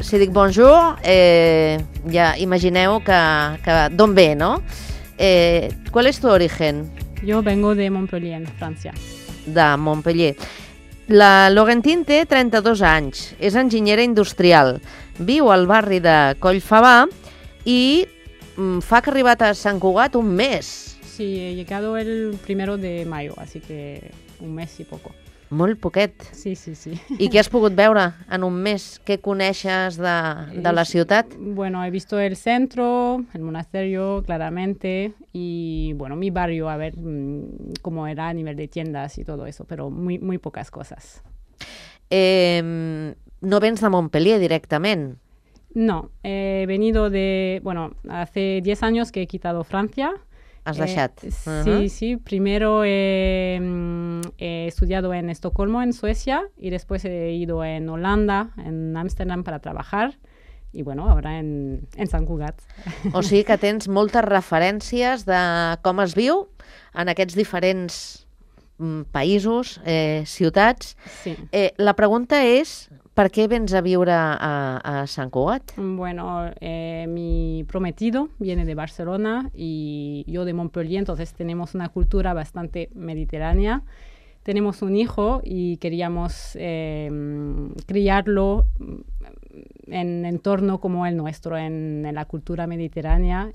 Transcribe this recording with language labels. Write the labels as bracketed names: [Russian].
[Catalan] Si dic bonjour, ja imagineu que d'on ve, no? Qual és tu origen? [Spanish] Jo vengo de Montpellier, França. [Catalan] De Montpellier. La Laurentine té 32 anys, és enginyera industrial, viu al barri de Collfabà i fa que ha arribat a Sant Cugat un mes. [Spanish] Sí, he llegado el primero de mayo, así que un mes y poco. [Catalan] Molt poquet. Sí, sí, sí. I què has pogut veure en un mes? Què coneixes de la ciutat? [Spanish] Bueno, he visto el centro, el monasterio, claramente, y bueno, mi barrio, a ver cómo era a nivel de tiendas y todo eso, pero muy, muy pocas cosas. [Catalan] No vens de Montpellier directament? [Spanish] No, he venido de... Bueno, hace 10 años que he quitado Francia. [Catalan] Has deixat. Sí, sí. [Spanish] Primero he estudiado en Estocolmo, en Suecia, y después he ido en Holanda, en Amsterdam, para trabajar. Y bueno, ahora en Sant Cugat. [Catalan] O sigui que tens moltes referències de com es viu en aquests diferents països, ciutats. Sí. La pregunta és... [Spanish] ¿Por qué [Catalan] vens a viure a Sant Cugat? [Spanish] Bueno, mi prometido viene de Barcelona y yo de Montpellier, entonces tenemos una cultura bastante mediterránea. Tenemos un hijo y queríamos criarlo en entorno como el nuestro, en la cultura mediterránea.